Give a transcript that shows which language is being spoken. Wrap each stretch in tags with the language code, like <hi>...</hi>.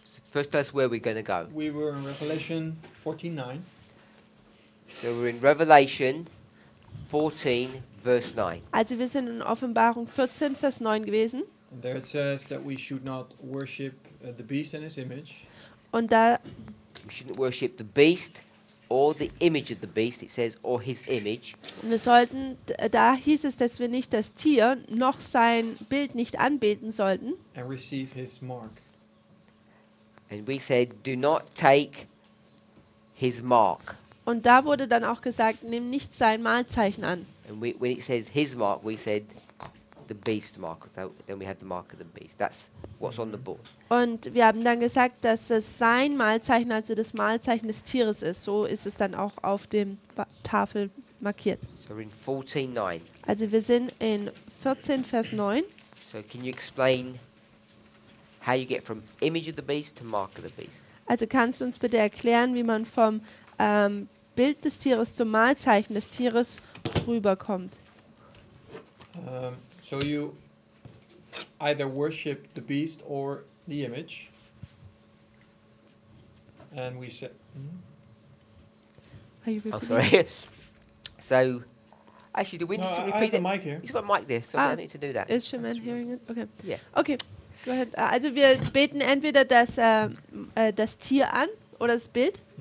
<en>First tell us where we're going to go. We were in Revelation 14:9. So we're in Revelation 14, verse 9.</en> <de>Also wir sind in Offenbarung 14, Vers 9 gewesen.</de> <en>And there it says that we should not worship the beast and his image.</en> <de>Und da</de> <en>we shouldn't worship the beast. Or the image of the beast, it says, or his image.</en> <de>Und wir sollten, da hieß es, dass wir nicht das Tier noch sein Bild nicht anbeten sollten.</de> <en>And receive his mark. And we said, do not take his mark.</en> <de>Und da wurde dann auch gesagt, nimm nicht sein Malzeichen an.</de> <en>And when it says his mark, we said, the beast mark, then we have the mark of the beast. That's what's on the board.</en> <de>Und wir haben dann gesagt, dass es sein Malzeichen, also das Malzeichen des Tieres ist. So ist es dann auch auf dem Tafel markiert.</de> <en>So we're in 14:9.</en> <de>Also wir sind in 14 Vers 9.</de> <en>So can you explain how you get from image of the beast to mark of the beast?</en> <de>Also kannst du uns bitte erklären, wie man vom Bild des Tieres zum Malzeichen des Tieres rüberkommt?</de> <en>So you either worship the beast or the image, and we say. Are you repeating? Oh, sorry. So, actually, do we need to repeat it? I have the mic here. He's got a mic there, so I need to do that. Is Shaman hearing it? Okay. Yeah. Okay. Go ahead.</en> <de>Also, wir beten entweder das das Tier an oder das Bild.</de>